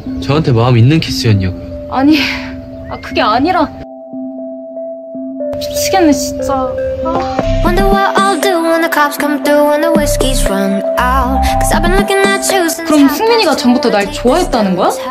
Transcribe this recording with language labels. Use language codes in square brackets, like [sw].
[ko] 저한테 마음 있는 키스였냐고요? 아니, 아 그게 아니라 미치겠네 진짜. 아. [en] Wonder what I'll do when the cops come through and the whiskey's run out. Cause I've been looking at you since. [ko] 그럼 승민이가 전부터 날 좋아했다는 거야?